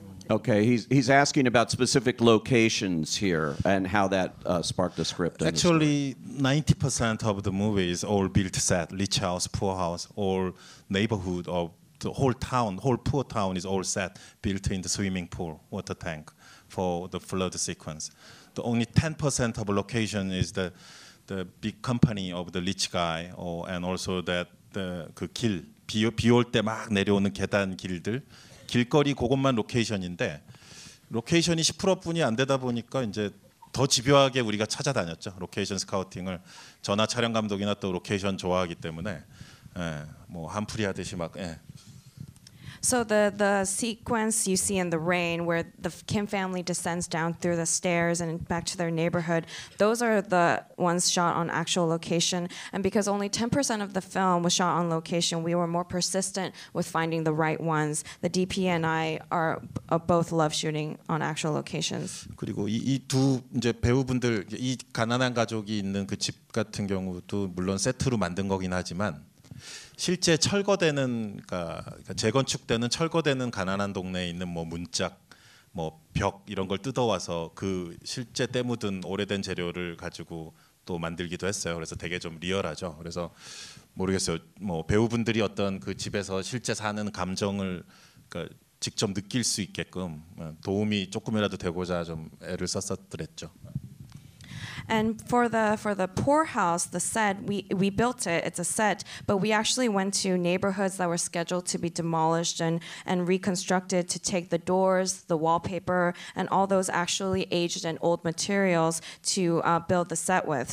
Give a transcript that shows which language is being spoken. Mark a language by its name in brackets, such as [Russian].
[English] Okay, he's asking about specific locations here and how that sparked the script. Actually, 90% of the movie is all built set, rich house, poor house, all neighborhood of the whole town, whole poor town is all set, built in the swimming pool, water tank for the flood sequence. The only 10% of location is the big company of the rich guy, and also that the [Korean] 그 길 비 올 때 막 내려오는 계단 길들 길거리 그것만 로케이션인데 로케이션이 10%뿐이 안 되다 보니까 이제 더 집요하게 우리가 찾아다녔죠. 로케이션 스카우팅을 전화 촬영 감독이나 또 로케이션 좋아하기 때문에 뭐 한풀이 하듯이 막 예. [English] So the sequence you see in the rain where the Kim family descends down through the stairs and back to their neighborhood, those are the ones shot on actual location. And because only 10% of the film was shot on location, we were more persistent with finding the right ones. The DP and I are both love shooting on actual locations. [Korean] 그리고 이 두 이제 배우분들 이 가난한 가족이 있는 그 집 같은 경우도 물론 세트로 만든 거긴 하지만 실제 철거되는 그러니까 재건축되는 철거되는 가난한 동네에 있는 뭐 문짝 뭐 벽 이런 걸 뜯어와서 그 실제 때 묻은 오래된 재료를 가지고 또 만들기도 했어요. 그래서 되게 좀 리얼하죠. 그래서 모르겠어요. 뭐 배우분들이 어떤 그 집에서 실제 사는 감정을 그러니까 직접 느낄 수 있게끔 도움이 조금이라도 되고자 좀 애를 썼었더랬죠. [English] And for the poor house, the set, we built it, it's a set, but we actually went to neighborhoods that were scheduled to be demolished and reconstructed to take the doors, the wallpaper, and all those actually aged and old materials to build the set with.